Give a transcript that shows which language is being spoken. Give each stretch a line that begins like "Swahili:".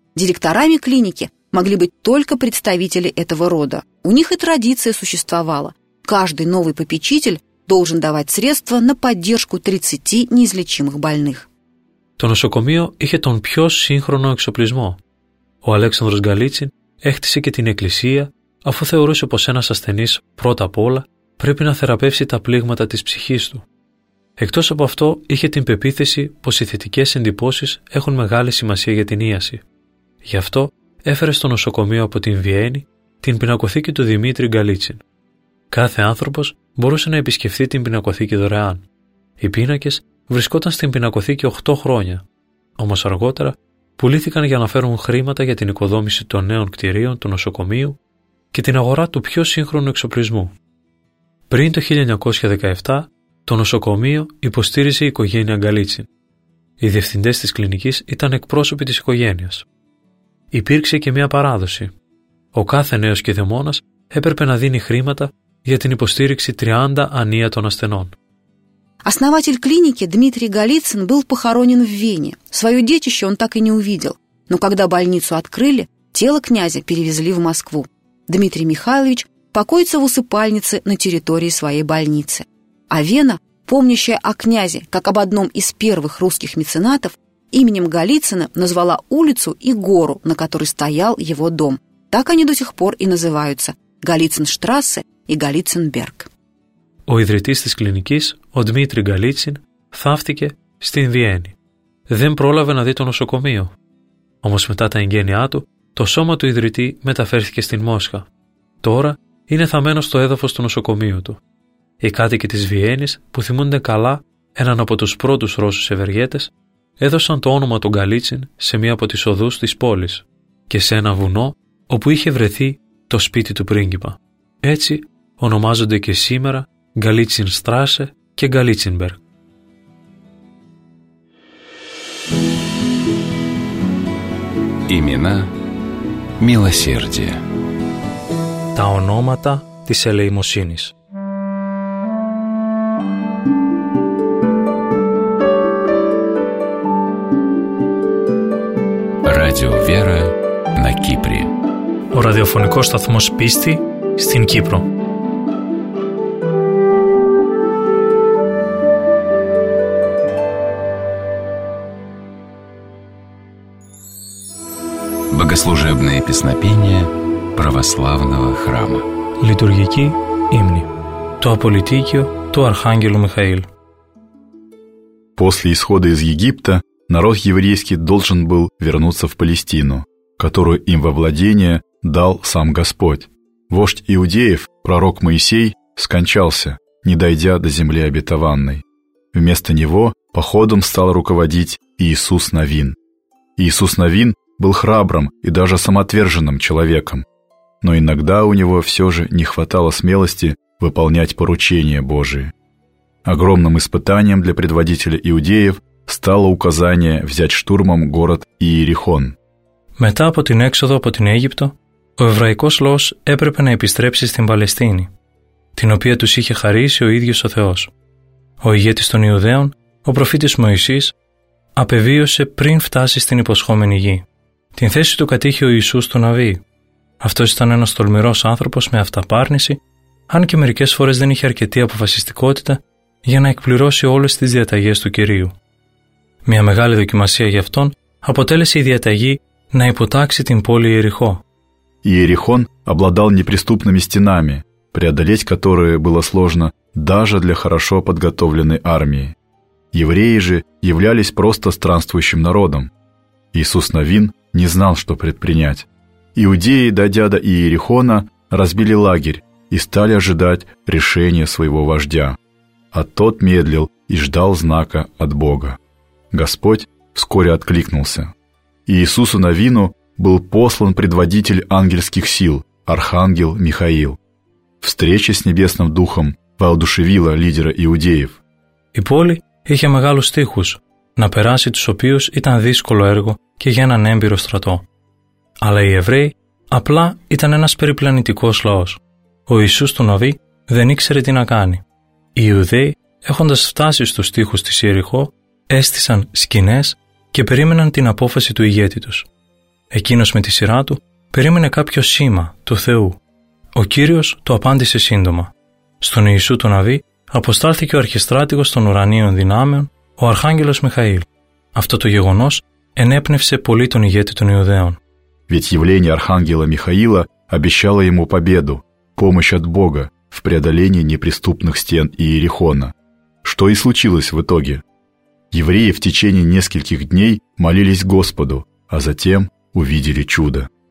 Russian: Директорами клиники могли быть только представители этого рода. У них и традиция существовала. Каждый новый попечитель должен давать средства на поддержку 30 неизлечимых больных.
Greek: То нашокомио ихе тон пьо синхроно эксоплизмо. Ο Αλέξανδρος Γκαλίτσιν έχτισε και την εκκλησία, αφού θεωρούσε πως ένας ασθενής, πρώτα απ' όλα, πρέπει να θεραπεύσει τα πλήγματα της ψυχής του. Εκτός από αυτό, είχε την πεποίθηση πως οι θετικές εντυπώσεις έχουν μεγάλη σημασία για την ίαση. Γι' αυτό έφερε στο νοσοκομείο από την Βιέννη την πινακοθήκη του Δημήτρη Γκαλίτσιν. Κάθε άνθρωπος μπορούσε να επισκεφθεί την πινακοθήκη δωρεάν. Οι πίνακες βρισκόταν στην πινακοθήκη 8 χρόνια, όμως αργότερα πουλήθηκαν για να φέρουν χρήματα για την οικοδόμηση των νέων κτηρίων του νοσοκομείου και την αγορά του πιο σύγχρονου εξοπλισμού. Πριν το 1917, το νοσοκομείο υποστήριζε η οικογένεια Γκαλίτσιν. Οι διευθυντές της κλινικής ήταν εκπρόσωποι της οικογένειας. Υπήρξε και μια παράδοση. Ο κάθε νέος κηδεμόνας έπρεπε να δίνει χρήματα για την υποστήριξη 30 ανίατων ασθενών.
Russian: Основатель клиники Дмитрий Голицын был похоронен в Вене. Свое детище он так и не увидел. Но когда больницу открыли, тело князя перевезли в Москву. Дмитрий Михайлович покоится в усыпальнице на территории своей больницы. А Вена, помнящая о князе как об одном из первых русских меценатов, именем Голицына назвала улицу и гору, на которой стоял его дом. Так они до сих пор и называются – Голицын-штрассе и Голицын-берг.
Greek: Ο ιδρυτής της κλινικής, ο Δημήτρη Γκαλίτσιν, θαύτηκε στην Βιέννη. Δεν πρόλαβε να δει το νοσοκομείο. Όμως μετά τα εγγένειά του, το σώμα του ιδρυτή μεταφέρθηκε στην Μόσχα. Τώρα είναι θαμμένο στο έδαφος του νοσοκομείου του. Οι κάτοικοι της Βιέννης, που θυμούνται καλά έναν από τους πρώτους Ρώσους ευεργέτες, έδωσαν το όνομα του Γκαλίτσιν σε μία από τις οδούς της πόλης και σε ένα βουνό όπου είχε βρεθεί το σπίτι του πρίγκιπα. Έτσι ονομάζονται και σήμερα Γκαλίτσιν Στράσε και Γκαλίτσινμπεργκ.
Russian: Имена милосердия.
Greek: Τα ονόματα της ελεημοσύνης.
Russian: Radio Vera на Кипре.
Greek: Ο ραδιοφωνικός σταθμός πίστη στην Κύπρο.
Russian: Богослужебные песнопения православного храма.
Greek: Литургики имни. То Аполитикио, то Архангелу Михаил.
Russian: После исхода из Египта народ еврейский должен был вернуться в Палестину, которую им во владение дал сам Господь. Вождь иудеев пророк Моисей скончался, не дойдя до земли обетованной. Вместо него походом стал руководить Иисус Навин. Иисус Навин был храбрым и даже самоотверженным человеком, но иногда у него все же не хватало смелости выполнять поручения Божии. Огромным испытанием для предводителя иудеев стало указание взять штурмом город Иерихон.
Greek: Μετά από την έξοδο από την Αίγυπτο, ο εβραϊκός λαός έπρεπε να επιστρέψει στην Παλαιστίνη, την οποία τους είχε χαρίσει ο ίδιος ο Θεός. Ο ηγέτης των Ιουδαίων, ο προφήτης Μωυσής, απεβίωσε πριν φτάσει στην υποσχόμενη γη. Την θέση του κατήχε ο Ιησούς του Ναβί. Αυτός ήταν ένας τολμηρός άνθρωπος με αυταπάρνηση, αν και μερικές φορές δεν είχε αρκετή αποφασιστικότητα για να εκπληρώσει όλες τις διαταγές του Κυρίου. Μια μεγάλη δοκιμασία για αυτόν αποτέλεσε η διαταγή να υποτάξει την πόλη Ιεριχό.
Russian: Иерихон обладал неприступными стенами, преодолеть которые было сложно даже для хорошо подготовленной армии. Евреи же являлись просто странствующим народом. Иисус Навин не знал, что предпринять. Иудеи, дойдя до Иерихона, разбили лагерь и стали ожидать решения своего вождя. А тот медлил и ждал знака от Бога. Господь вскоре откликнулся. Иисусу Навину был послан предводитель ангельских сил, архангел Михаил. Встреча с небесным духом воодушевила лидера иудеев.
Greek: Η πόλη είχε μεγάλους τείχους, να περάσει τους οποίους ήταν δύσκολο έργο και για έναν έμπειρο στρατό. Αλλά οι Εβραίοι απλά ήταν ένας περιπλανητικός λαός. Ο Ιησούς του Ναβί δεν ήξερε τι να κάνει. Οι Ιουδαίοι, έχοντας φτάσει στους τείχους της Ιεριχώ, έστησαν σκηνές και περίμεναν την απόφαση του ηγέτη τους. Εκείνος με τη σειρά του περίμενε κάποιο σήμα του Θεού. Ο Κύριος το απάντησε σύντομα. Στον Ιησού του Ναβί αποστάλθηκε ο αρχιστράτηγος των ουρανίων δυνάμεων, ο Αρχάγγελος Μιχαήλ. Αυτό το γεγονός ενέπνευσε πολύ τον ηγέτη των Ιουδαίων.
Russian: Ведь явление Архангела Михаила обещало ему победу, помощь от Бога в преодолении неприступных стен Иерихона. Что и случилось в итоге. Евреи в течение нескольких дней молились Господу, а затем увидели чудо.